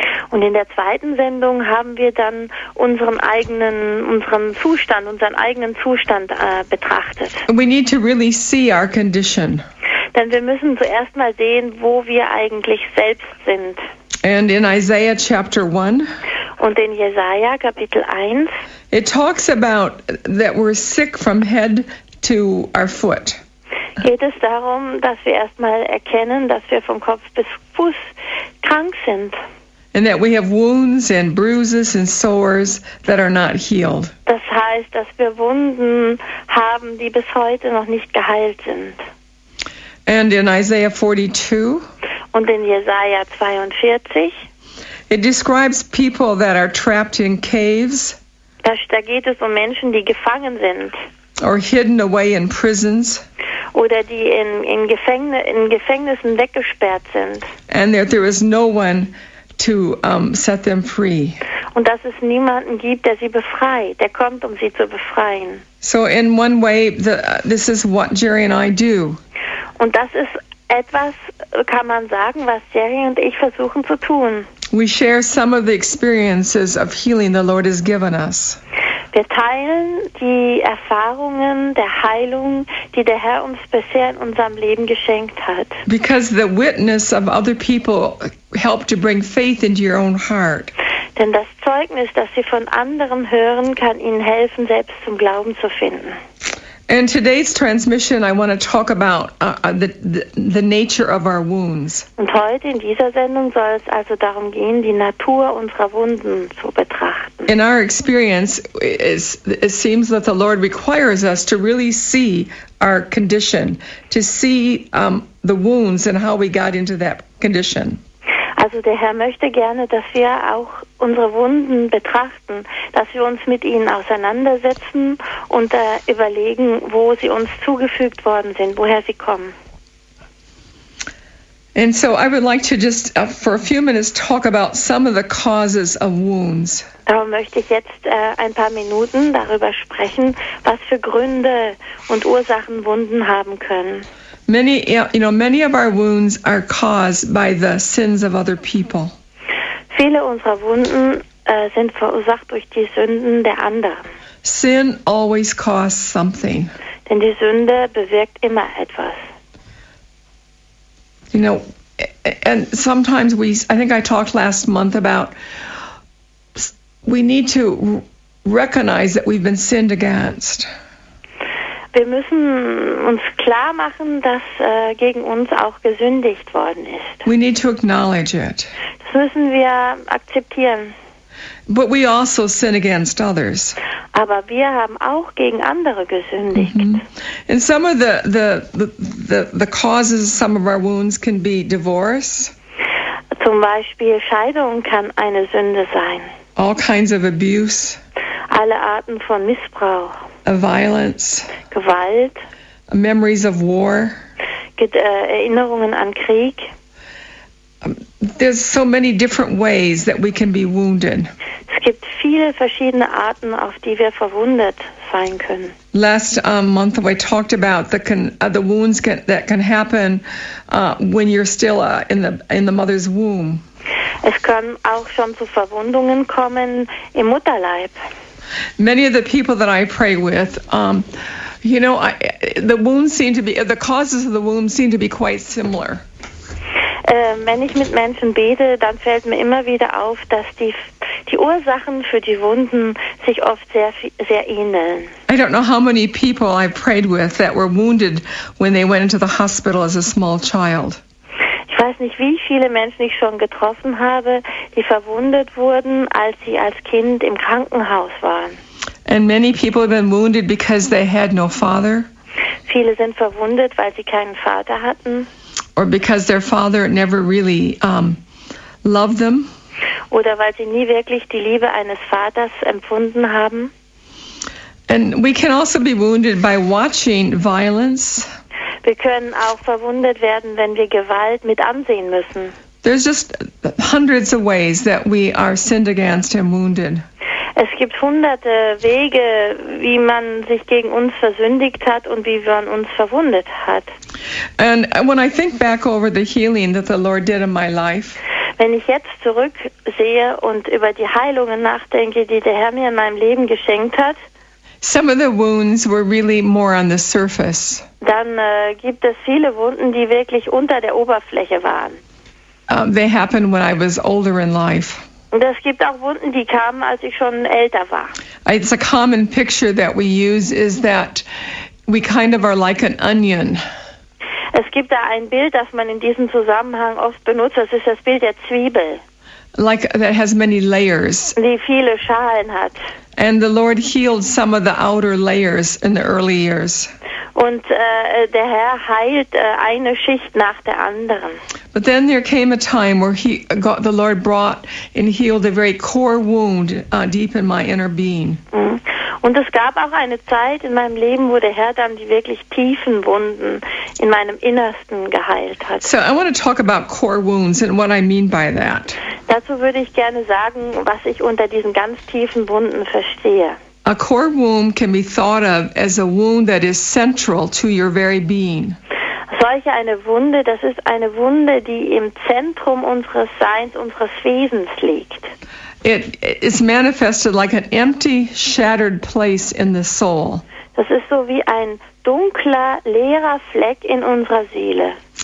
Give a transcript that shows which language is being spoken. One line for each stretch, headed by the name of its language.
German: Und in der zweiten Sendung haben wir dann unseren eigenen Zustand betrachtet.
English: We need to really see our condition.
German: Denn wir müssen zuerst mal sehen, wo wir eigentlich selbst sind.
English: And in Isaiah chapter 1.
German: Und in Jesaja Kapitel 1.
English: It talks about that we're sick from head to our foot.
German: Geht es darum, dass wir erstmal erkennen, dass wir vom Kopf bis Fuß krank sind.
English: And that we have wounds and bruises and sores that are not healed.
German: Das heißt, dass wir Wunden haben, die bis heute noch nicht geheilt sind.
English: And in Isaiah 42.
German: Und in Jesaja 42.
English: It describes people that are trapped in caves.
German: Da geht es um Menschen, die gefangen sind.
English: Or hidden away in prisons.
German: Oder die in Gefängnissen weggesperrt sind.
English: And that there is no one to set them free.
German: Und dass es niemanden gibt, der sie befreit, der kommt, um sie zu befreien.
English: So in one way, this is what Jerry and I do.
German: Und das ist etwas, kann man sagen, was Jerry und ich versuchen zu tun.
English: We share some of the experiences of healing the Lord has given us.
German: Wir teilen die Erfahrungen der Heilung, die der Herr uns bisher in unserem Leben geschenkt hat.
English: Because the witness of other people help to bring faith into your own heart.
German: Denn das Zeugnis, das sie von anderen hören, kann ihnen helfen, selbst zum Glauben zu finden.
English: And today's transmission, I want to talk about the nature of our wounds.
German: Und heute in dieser Sendung soll es also darum gehen, die Natur unserer Wunden zu betrachten.
English: In our experience, it seems that the Lord requires us to really see our condition, to see the wounds and how we got into that condition.
German: Also der Herr möchte gerne, dass wir auch unsere Wunden betrachten, dass wir uns mit ihnen auseinandersetzen und überlegen, wo sie uns zugefügt worden sind, woher sie kommen.
English: And so I would like to just for a few minutes talk about some of the causes of wounds.
German: Darum möchte ich jetzt ein paar Minuten darüber sprechen, was für Gründe und Ursachen Wunden haben können.
English: Many of our wounds are caused by the sins of other people.
German: Viele unserer Wunden sind verursacht durch die Sünden der anderen.
English: Sin always costs something.
German: Denn die Sünde bewirkt immer etwas.
English: You know, and sometimes I think I talked last month about we need to recognize that we've been sinned against.
German: wir müssen uns klar machen, dass gegen uns auch gesündigt worden ist.
English: We need to acknowledge it.
German: Das müssen wir akzeptieren.
English: But we also sin against others.
German: Aber wir haben auch gegen andere gesündigt. Mm-hmm.
English: And some of the causes of some of our wounds can be divorce.
German: Zum Beispiel Scheidung kann eine Sünde sein.
English: All kinds of abuse.
German: Alle Arten von Missbrauch.
English: Violence.
German: Gewalt.
English: Memories of war.
German: Erinnerungen an Krieg.
English: There's so many different ways that we can be wounded.
German: Es gibt viele verschiedene Arten, auf die wir verwundet sein können.
English: Last month we talked about the wounds that can happen when you're still in the mother's womb.
German: Es kann auch schon zu Verwundungen kommen im Mutterleib.
English: Many of the people that I pray with, the causes of the wounds seem to be quite similar.
German: Wenn ich mit Menschen bete, dann fällt mir immer wieder auf, dass die Ursachen für die Wunden sich oft sehr, sehr ähneln.
English: I don't know how many people I prayed with that were wounded when they went into the hospital as a small child.
German: Ich weiß nicht, wie viele Menschen ich schon getroffen habe, die verwundet wurden, als sie als Kind im Krankenhaus waren.
English: And many people have been wounded because they had no father.
German: Viele sind verwundet, weil sie keinen Vater hatten.
English: Or because their father never really loved them.
German: Oder weil sie nie wirklich die Liebe eines Vaters empfunden haben.
English: And we can also be wounded by watching violence.
German: Wir können auch verwundet werden, wenn wir Gewalt mit ansehen müssen.
English: There's just hundreds of ways that we are sinned against and wounded.
German: Es gibt hunderte Wege, wie man sich gegen uns versündigt hat und wie man uns verwundet hat.
English: And when I think back over the healing that the Lord did in my life,
German: wenn ich jetzt zurücksehe und über die Heilungen nachdenke, die der Herr mir in meinem Leben geschenkt hat,
English: some of the wounds were really more on the surface.
German: Dann gibt es viele Wunden, die wirklich unter der Oberfläche waren.
English: They happened when I was older in life.
German: Und es gibt auch Wunden, die kamen, als ich schon älter war.
English: It's a common picture that we use is that we kind of are like an onion.
German: Es gibt da ein Bild, das man in diesem Zusammenhang oft benutzt. Das ist das Bild der Zwiebel.
English: Like that has many layers.
German: Die viele Schalen hat.
English: And the Lord healed some of the outer layers in the early years.
German: Und der Herr heilt eine Schicht nach der anderen.
English: But then there came a time where the Lord brought and healed a very core wound deep in my inner being.
German: Und es gab auch eine Zeit in meinem Leben, wo der Herr dann die wirklich tiefen Wunden in meinem Innersten geheilt hat.
English: So I want to talk about core wounds and what I mean by that.
German: Dazu würde ich gerne sagen, was ich unter diesen ganz tiefen Wunden verstehe.
English: A core wound can be thought of as a wound that is central to your very being.
German: Solche eine Wunde, das ist eine Wunde, die im Zentrum unseres Seins, unseres Wesens liegt.
English: It is manifested like an empty, shattered place in the soul.
German: Das ist so wie ein dunkler, leerer Fleck in unserer Seele.